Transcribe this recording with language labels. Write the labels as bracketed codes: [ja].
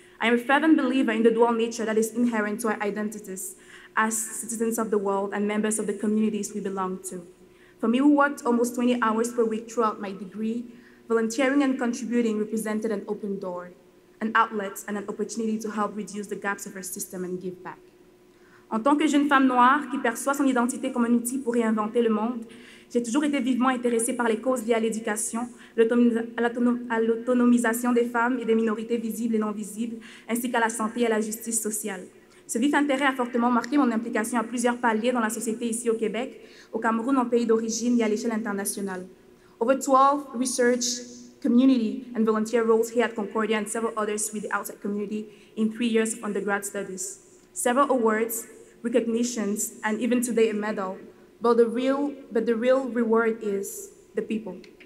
[en] I am a fervent believer in the dual nature that is inherent to our identities as citizens of the world and members of the communities we belong to. For me, who worked almost 20 hours per week throughout my degree, volunteering and contributing represented an open door, an outlet, and an opportunity to help reduce the gaps of our system and give back. [fr] En tant que jeune femme noire qui perçoit son identité comme un outil pour réinventer le monde, j'ai toujours été vivement intéressée par les causes liées à l'éducation, à l'autonomisation des femmes et des minorités visibles et non visibles, ainsi qu'à la santé et à la justice sociale. Ce vif intérêt a fortement marqué mon implication à plusieurs paliers dans la société ici au Québec, au Cameroun, en pays d'origine et à l'échelle internationale. [en] Over 12 research, community, and volunteer roles here at Concordia and several others with the outside community in 3 years of undergrad studies. Several awards, recognitions, and even today a medal, but the real reward is the people.